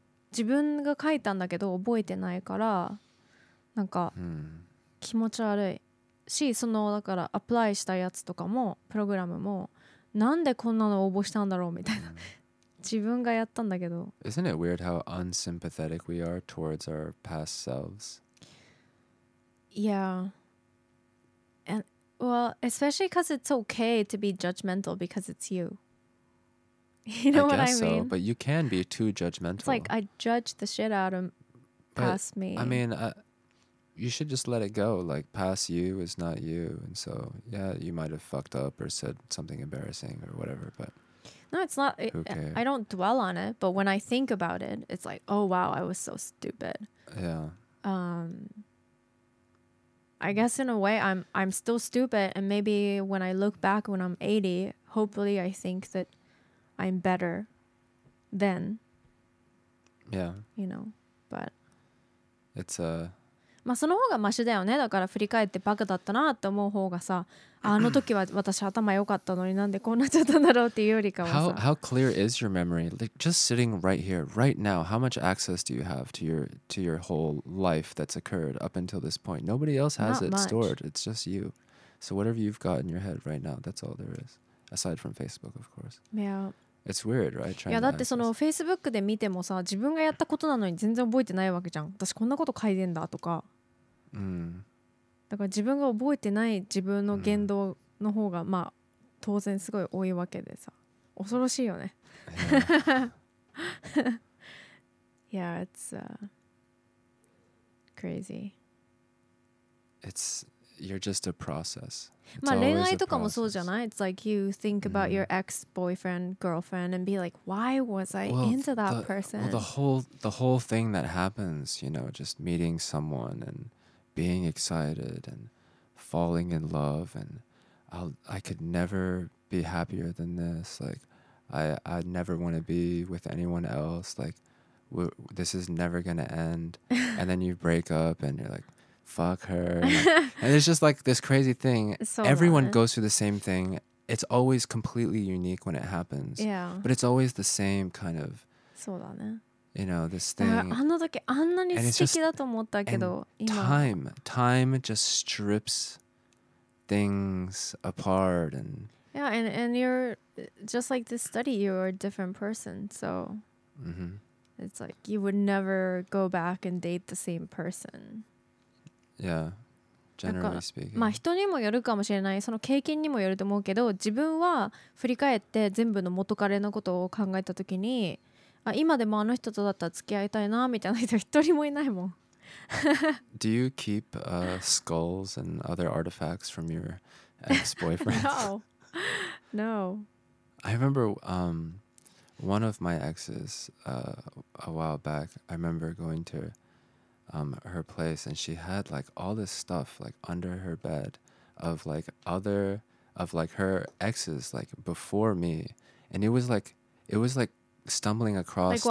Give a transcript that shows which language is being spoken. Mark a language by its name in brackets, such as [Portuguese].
[Japanese] 自分が書いたんだけど覚えてないから、なんか気持ち悪い。し、そのだからアプライしたやつとかも、プログラムも、なんでこんなの応募したんだろうみたいな。自分がやったんだけど。 [English] Isn't it weird how unsympathetic we are towards our past selves? Yeah. Well, especially because it's okay to be judgmental because it's you. You know what I mean? I guess so, but you can be too judgmental. It's like I judge the shit out of past me. I mean, you should just let it go. Like, past you is not you. And so, yeah, you might have fucked up or said something embarrassing or whatever, but... No, it's not... I don't dwell on it, but when I think about it, it's like, oh, wow, I was so stupid. Yeah. I guess in a way I'm still stupid, and maybe when I look back when I'm 80, hopefully I think that I'm better then. Yeah. You know, but it's a [Japanese] まあ、その方がマシだよね。だから振り返ってバカだったなって思う方がさ、あの時は私頭良かったのになんでこうなっちゃったんだろうっていうよりかはさ、 [English] how clear is your memory? Like just sitting right here, right now, how much access do you have to your, to your whole life that's occurred up until this point? Nobody else has it stored. It's just you. So whatever you've got in your head right now, that's all there is. Aside from Facebook, of course. Yeah. It's weird, right? [Japanese] いやだってその Facebook で見てもさ、自分がやったことなのに全然覚えてないわけじゃん。私こんなこと書いてんだとか、 mm. だから自分が覚えてない自分の言動の方が、mm. まあ当然すごい多いわけでさ、恐ろしいよね。 [English] Yeah, yeah, it's crazy. It's you're just a process. [Japanese] まあ恋愛とかもそうじゃない？ [English] It's like you think about your ex-boyfriend, girlfriend and be like, why was I into that person? Well, the whole thing that happens, you know, just meeting someone and being excited and falling in love and I could never be happier than this. Like, I never want to be with anyone else. Like, this is never going to end. And then you break up and you're like,Fuck her. And it's just like this crazy thing. So everyone goes through the same thing. It's always completely unique when it happens. Yeah. But it's always the same kind of, [Japanese] そうだね。 [English] You know, this thing. [Japanese] あの時あんなに素敵だと思ったけど、今。 [English] Time just strips things apart. And yeah, and you're just like this study, you're a different person. So、 mm-hmm. it's like you would never go back and date the same person. Yeah, generally speaking. [Japanese] まあ人にもよるかもしれない、その経験にもよると思うけど、自分は振り返って全部の元彼のことを考えた時に、あ、今でもあの人とだったら付き合いたいなみたいな人一人もいないもん。 [English] Do you keep、skulls and other artifacts from your ex-boyfriends? No. I remember、one of my exes、a while back, I remember going toher place, and she had like all this stuff like under her bed of like other of like her exes like before me, and it was like stumbling across